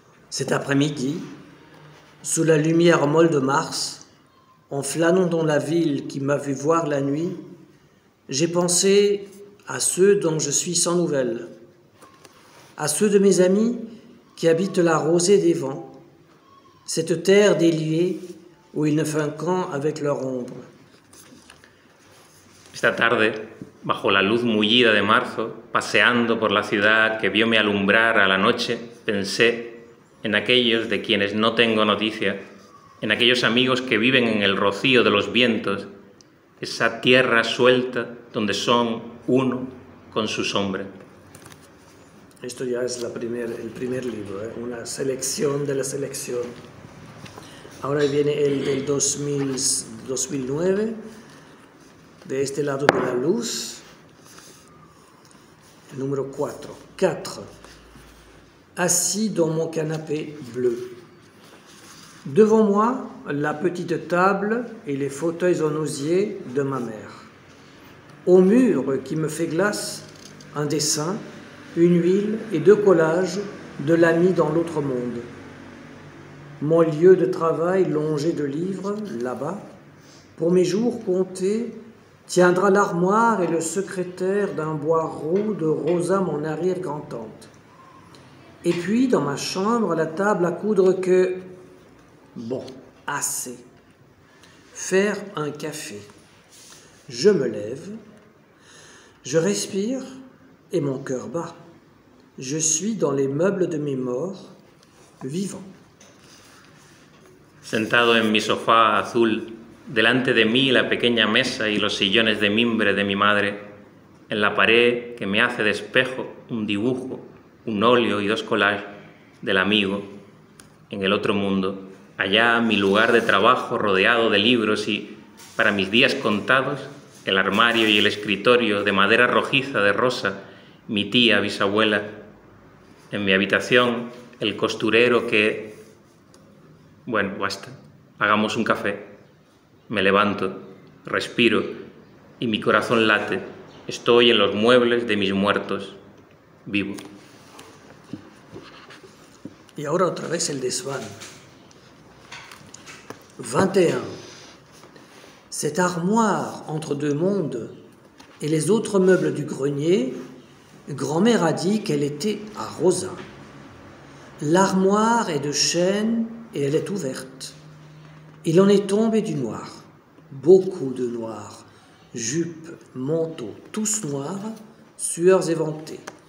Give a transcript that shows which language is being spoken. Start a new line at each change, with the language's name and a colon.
French: Cet après-midi, sous la lumière molle de mars, en flânant dans la ville qui m'a vu voir la nuit, j'ai pensé à ceux dont je suis sans nouvelles, à ceux de mes amis qui habitent la rosée des vents, cette terre déliée où ils ne font qu'un avec leur ombre.
Spanish: Esta tarde, bajo la luz mullida de marzo, paseando por la ciudad que vio me alumbrar a la noche, pensé en aquellos de quienes no tengo noticia, en aquellos amigos que viven en el rocío de los vientos, esa tierra suelta donde son uno con su sombra. Esto ya es el primer libro, ¿eh? Una selección de la selección. Ahora viene el del 2009, de este lado de la luz. Número 4. 4.
French: Assis dans mon canapé bleu. Devant moi, la petite table et les fauteuils en osier de ma mère. au mur qui me fait glace, un dessin, une huile et deux collages de l'ami dans l'autre monde. Mon lieu de travail longé de livres, là-bas, pour mes jours comptés, tiendra l'armoire et le secrétaire d'un bois roux de Rosa, mon arrière-grand-tante. Et puis, dans ma chambre, la table à coudre que... Bon, assez. Faire un café. Je me lève, je respire et mon cœur bat. Je suis dans les meubles de mes morts, vivant.
Spanish: Sentado en mi sofá azul, delante de mí la pequeña mesa y los sillones de mimbre de mi madre, en la pared que me hace de espejo un dibujo, un óleo y dos collages del amigo, en el otro mundo, allá mi lugar de trabajo rodeado de libros y, para mis días contados, el armario y el escritorio de madera rojiza de Rosa, mi tía bisabuela, en mi habitación el costurero que... Bueno, basta. Hagamos un café. Me levanto, respiro y mi corazón late. Estoy en los muebles de mis muertos. Vivo. Y ahora otra vez el desván. 21.
French: Cette armoire entre deux mondes et les autres meubles du grenier, grand-mère a dit qu'elle était à Rosa. L'armoire est de chêne et elle est ouverte. Il en est tombé du noir, beaucoup de noir, jupes, manteaux, tous noirs, sueurs éventées.